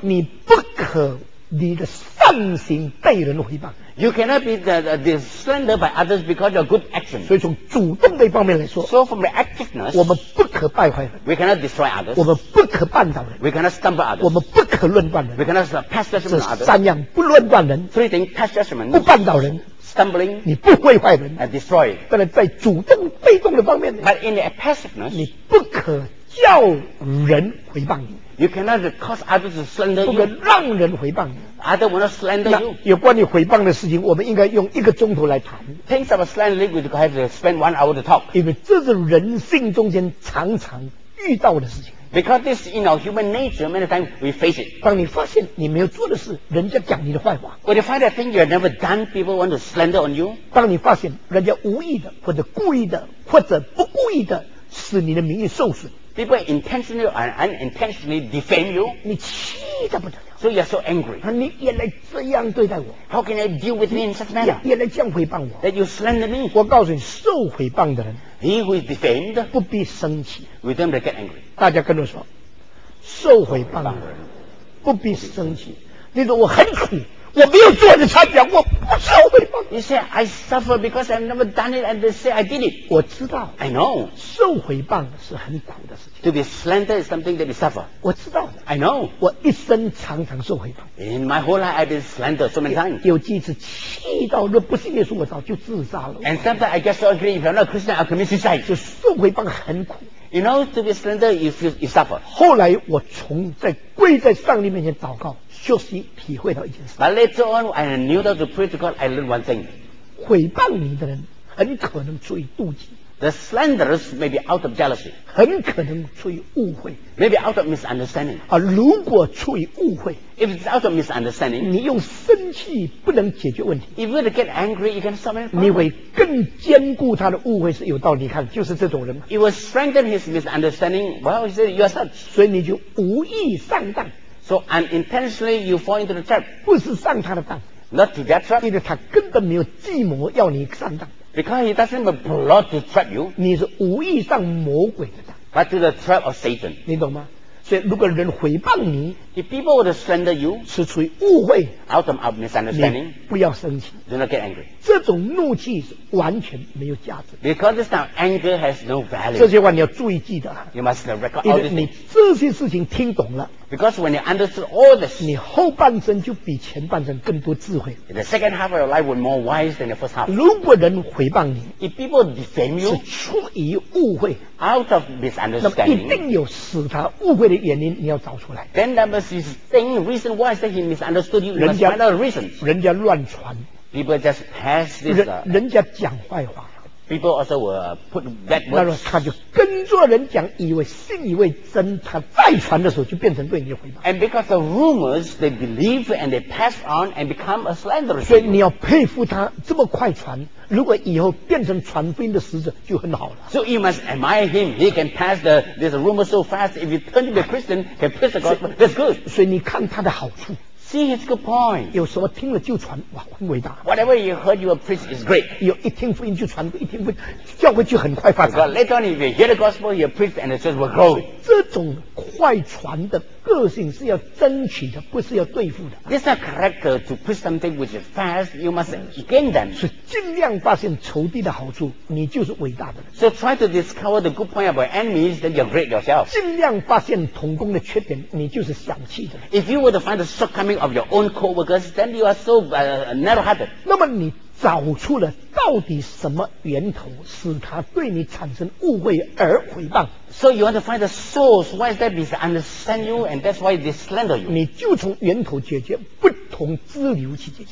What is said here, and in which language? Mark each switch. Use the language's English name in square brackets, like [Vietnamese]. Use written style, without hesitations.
[Chinese] 你不可你的善行被人毁谤。 [English] You cannot be the slander by others because of good action. [Chinese] 所以从主动的一方面来说 [English] ，So from the activeness, [Chinese] 我们不可败坏人。 [English] We cannot destroy others. [Chinese] 我们不可绊倒人。 [English] We cannot stumble others. [Chinese] 我们不可论断人。 [English] We cannot pass judgment on others. [Chinese] 这三样不论断人 [English] ，Three things pass judgment. [Chinese] 不绊倒人。 [English] Stumbling, [Chinese] 你不毁坏人 [English] and destroy. [Chinese] 但是在主动被动的方面 [English] but in the passiveness, [Chinese] 你不可叫人毁谤你 [English] you cannot cause others to slander you. [Chinese] 不可让人毁谤你 [English] others will not slander you. [Chinese] 有关于毁谤的事情，我们应该用一个钟头来谈 [English] Things about slandering, we have to spend 1 hour to talk. [Chinese] 因为这是人性中间常常遇到的事情。 [English] Because this in our human nature, many times we face it. [Chinese] 当你发现你没有做的事，人家讲你的坏话。 [English] When you find a thing you have never done, people want to slander on you. [Chinese] 当你发现人家无意的或者故意的或者不故意的使你的名誉受损。 [English] People intentionally or unintentionally defame you. [Chinese] 你气得不得了。 [English] So you are so angry. [Chinese] 你原来这样对待我。 [English] How can I deal with me in such manner? [Chinese] 原来这样诽谤我。 [English] That you slander me. [Chinese] 我告诉你，受诽谤的人。 [English] He who is defamed, [Chinese] 不必生气。 [English] We don't get angry. [Chinese] 大家跟我说，受毁谤的人不必生气。你说我很苦，我没有做的差别，我不受毁谤。 [English] You say I suffer because I've never done it, and they say I did it. [Chinese] 我知道。 [English] I know. [Chinese] 受毁谤是很苦的事情。 [English] To be slandered is something that you suffer. [Chinese] 我知道。 [English] I know. [Chinese] 我一生常常受毁谤。 [English] In my whole life, I've been slandered so many times. [Chinese] 有几次气到若不信耶稣，我早就自杀了。 [English] And sometimes I get so angry if I'm not Christian, I'll commit suicide. [Chinese] 就受毁谤很苦。 [English] You know, to be slandered, you suffer. [Chinese] 后来我从在跪在上帝面前祷告，确实体会到一件事。 [English] But later on, I knew that to pray to God, I learned one thing. [Chinese] 毁谤你的人很可能出于妒忌。 [English] The slanderers may be out of jealousy. [Chinese] 很可能出于误会。 [English] Maybe out of misunderstanding. [Chinese] 啊，如果出于误会。 [English] If it's out of misunderstanding. [Chinese] 你用生气不能解决问题。 [English] If you get angry, you can't solve it. [Chinese] 你会更坚固他的误会是有道理。你看，就是这种人。 [English] It will strengthen his misunderstanding. Well, he said, you are such. [Chinese] 所以你就无意上当。 [English] So unintentionally you fall into the trap. [Chinese] 不是上他的当。 [English] Not to that trap. [Chinese] 因为他根本没有计谋要你上当。 [English] Because he doesn't have a plot to trap you. [Chinese] 你是无意上魔鬼的当。 [English] But to the trap of Satan. [Chinese] 你懂吗？所以如果人诽谤你， [English] if people would slander you, [Chinese] 是出于误会， [English] out of misunderstanding, [Chinese] 你不要生气。 [English] Do not get angry. [Chinese] 这种怒气是完全没有价值。 [English] Because this now anger has no value. [Chinese] 这些话你要注意记得。 [English] You must record all this. [Chinese] 你这些事情听懂了。 [English] Because when you understood all this, [Chinese] 你后半生就比前半生更多智慧。 [English] The second half of your life will be more wise than the first half. [Chinese] 如果人诽谤你， [English] if people defame you, [Chinese] 是出于误会， [English] out of misunderstanding, [Chinese] 那么一定有使他误会的原因，你要找出来。 [English] Then there must be a thing, reason why that he misunderstood you. You must find out the reason. [Chinese] 人家乱传。 [English] People just pass this. [Chinese] 人家讲坏话。 [English] People also will put bad words. [Chinese] 那么他就跟着人讲，以为信以为真。他再传的时候，就变成对你诽谤。 [English] And because of rumors, they believe and they pass on and become a slander. [Chinese] 所以你要佩服他这么快传。如果以后变成传福音的使者，就很好了。 [English] So you must admire him. He can pass the this rumor so fast. If he turned to be a Christian, can preach the gospel. That's good. [Chinese] 所以你看他的好处。 [English] See, it's a good point. [Chinese] 有什么听了就传，哇，很伟大。 [English] Whatever you heard, your preach is great. [Chinese] 有一听福音就传，一听福音，教会就很快发展。 [English] Later on, if you hear the gospel, you preach, and the church will grow. [Chinese] 这种快传的个性是要争取的，不是要对付的。 [English] This is a character to preach something which is fast. You must gain them. [Chinese] 是尽量发现仇敌的好处，你就是伟大的人。 [English] So try to discover the good point about enemies, then you're great yourself. [Chinese] 尽量发现同工的缺点，你就是小气的人。 [English] If you were to find the shortcoming of your own co-workers, then you are so narrow-hearted. [Chinese] 那么你找出了到底什么源头使他对你产生误会而诽谤。 [English] So you want to find the source why that is understand you and that's why they slander you. [Chinese] 你就从源头解决，不同支流去解决。